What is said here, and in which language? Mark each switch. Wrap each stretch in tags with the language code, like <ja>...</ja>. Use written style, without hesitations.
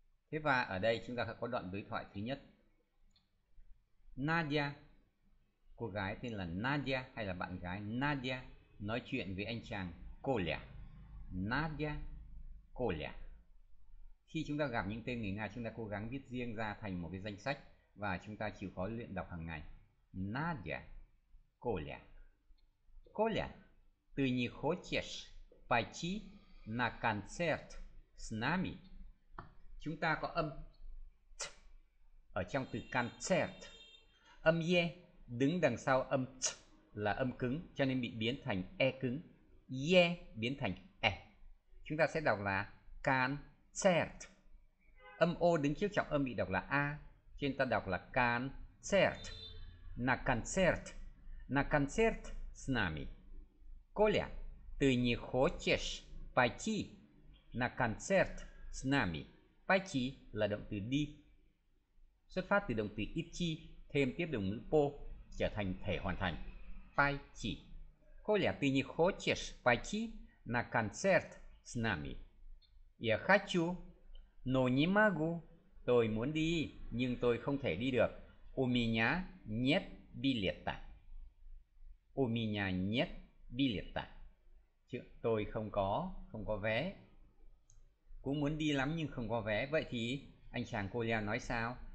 <vi>Thế và ở đây chúng ta có đoạn đối thoại thứ nhất. Nadia, cô gái tên là Nadia hay là bạn gái Nadia, nói chuyện với anh chàng Kolya. Nadia, Kolya. Khi chúng ta gặp những tên người Nga, chúng ta cố gắng viết riêng ra thành một cái danh sách và chúng ta chịu khó luyện đọc hàng ngày. Nadia, Kolya.</vi> <ru>Kolya, ты не хочешь пойти на концерт с нами?</ru> <vi>Chúng ta có âm t ở trong từ концерт. Âm e đứng đằng sau âm t là âm cứng, cho nên bị biến thành e cứng. Ye biến thành e. Chúng ta sẽ đọc là concert. Âm o đứng trước trọng âm bị đọc là a, cho nên ta đọc là concert.</vi> <ru>Na concert. Na concert s nami. Коля, ты не хочешь пойти на концерт с нами?</ru> <vi>Пойти là động từ đi. Xuất phát từ động từ идти, thêm tiếp động ngữ по, trở thành thể hoàn thành.</vi> <ru>Пай чи. Коля, ты не хочешь пойти на концерт с нами? Я хочу, но не могу.</ru> <vi>Tôi muốn đi, nhưng tôi không thể đi được.</vi> <ru>У меня нет билета. У меня нет билета.</ru> <vi>Chứ tôi không có vé. Cũng muốn đi lắm nhưng không có vé. Vậy thì anh chàng Коля nói sao?</vi>